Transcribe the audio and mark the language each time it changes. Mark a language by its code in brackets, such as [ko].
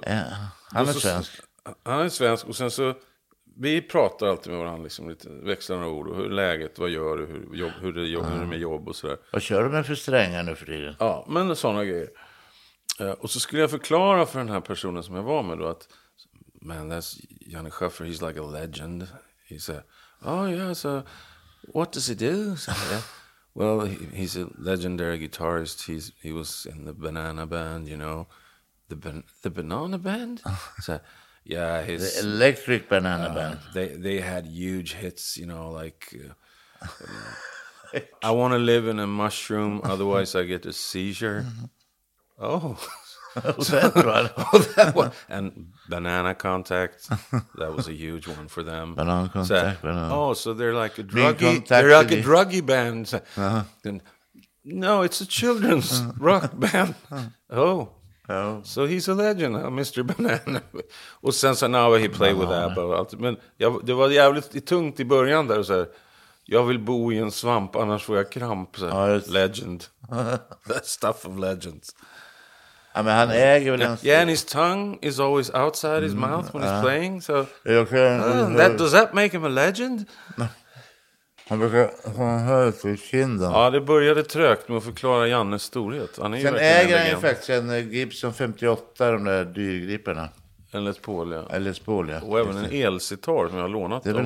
[sv] Ja, han är svensk. Han är svensk. Och sen så... Vi pratar alltid med varandra, liksom, lite, växlar några ord. Och hur läget, vad gör du, hur det med jobb och sådär. Vad kör du med för strängar nu för tiden? Ja, men sådana grejer. Och så skulle jag förklara för den här personen som jag var med då att... [en] Man, that's Janne Schaffer, he's like a legend. He said, oh yeah, so what does he do? So, yeah. Well, he's a legendary guitarist. He was in the Banana Band, you know. The Banana Band? So... Yeah, his the Electric Banana Band. They had huge hits, you know, like I want to live in a mushroom, otherwise I get a seizure. Oh, that one. And Banana Contact, that was a huge one for them. Banana Contact. So, banana. Oh, so they're like a druggy, druggy band. Uh-huh. And, no, it's a children's rock band. Oh. Oh. So he's a legend, huh? Mr. Banana. [sv] Och sen så [en] now he play with Abba [sv] och allt. Men jag, det var jävligt tungt i början där så här, jag vill bo i en svamp annars får jag kramp så här, legend. [en] That stuff of legends. [sv] I mean, han äger väl [en] yeah, and his tongue is always outside his mouth when he's playing. So does that make him a legend? [sv] Han brukar ha en högre kinden. Ja, det började trögt med att förklara Jannes storhet. Han är sen äger han ju faktiskt en Gibson 58, de där dyrgriperna. En Les Paul, ja. En Les Paul, ja. Och även en elsitar som jag har lånat av